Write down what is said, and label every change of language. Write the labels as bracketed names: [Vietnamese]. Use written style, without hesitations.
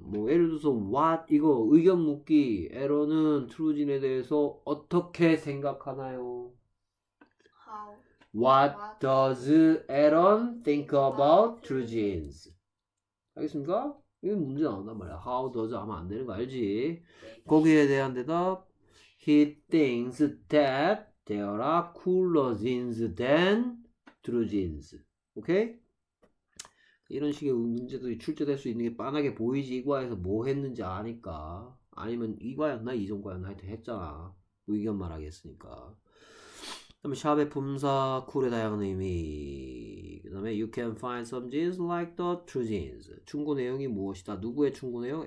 [Korean] 뭐 예를 들어서 what 이거 의견 묻기. 에러는 true jeans에 대해서 어떻게 생각하나요? [English] What does Aaron think about true jeans? [Korean] 알겠습니까? 이게 문제 나온단 말이야. [English] How does [Korean] 하면 안 되는 거 알지? 거기에 대한 대답. [English] He thinks that there are cooler jeans than true jeans. [Korean] 오케이? 이런 식의 문제도 출제될 수 있는 게 뻔하게 보이지? 이 과에서 뭐 했는지 아니까. 아니면 이 과였나? 이전 과였나? 하여튼 했잖아. 의견 말하겠으니까. 그 다음에 샵의 품사, 쿨의 다양한 의미. 그 다음에 [English] You can find some jeans like the true jeans. [Korean] 충고 내용이 무엇이다? 누구의 충고 내용?